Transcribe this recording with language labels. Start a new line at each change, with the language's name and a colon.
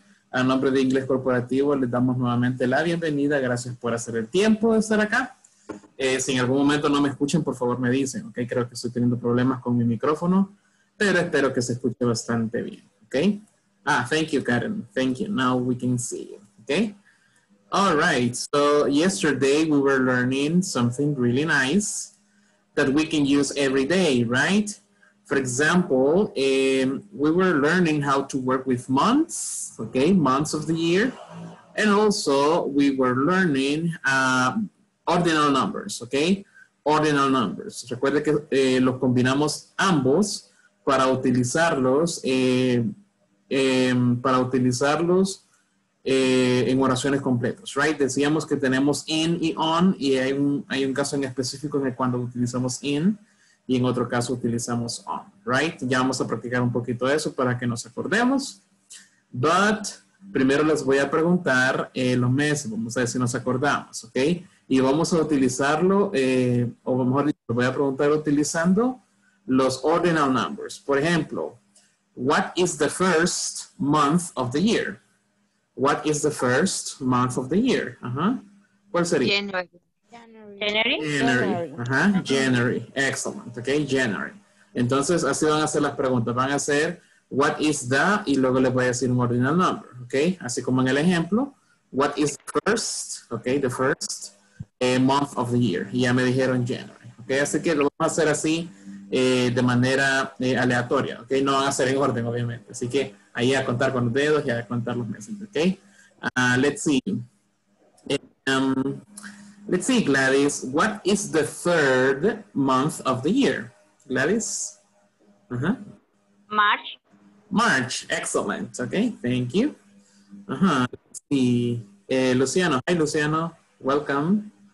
Spanish: A nombre de Inglés Corporativo les damos nuevamente la bienvenida. Gracias por hacer el tiempo de estar acá. Si en algún momento no me escuchan, por favor me dicen, ok. Creo que estoy teniendo problemas con mi micrófono, pero espero que se escuche bastante bien, ok.
English: Ah, thank you, Karen. Thank you. Now we can see you, ok. All right, so yesterday we were learning something really nice that we can use every day, right? For example, we were learning how to work with months, okay, months of the year. And also we were learning ordinal numbers, okay? Ordinal numbers.
Spanish: Recuerde que los combinamos ambos para utilizarlos, en oraciones completas, right? Decíamos que tenemos in y on, y hay un caso en específico en el cuando utilizamos in y en otro caso utilizamos on, right? Ya vamos a practicar un poquito eso para que nos acordemos. But primero les voy a preguntar los meses, vamos a ver si nos acordamos, ok? Y vamos a utilizarlo, o mejor dicho, les voy a preguntar utilizando los ordinal numbers. Por ejemplo,
English: what is the first month of the year? What is the first month of the year?
Spanish: Uh-huh. ¿Cuál sería?
English: January.
Spanish: Uh-huh.
English: January. Excellent. Okay, January.
Spanish: Entonces, así van a hacer las preguntas. Van a hacer,
English: what is the,
Spanish: y luego les voy a decir un ordinal number.
English: Okay,
Spanish: así como en el ejemplo,
English: what is the first, okay, the first month of the year.
Spanish: Y ya me dijeron January. Okay, así que lo vamos a hacer así de manera aleatoria. Okay, no van a hacer en orden, obviamente. Así que, ahí a contar con los dedos y a contar los meses, ¿ok?
English: Let's see. Let's see, Gladys. What is the third month of the year? Gladys? Uh-huh. March. March. Excellent. Okay, thank you. Uh-huh. Let's see. Luciano. Hi, Luciano. Welcome.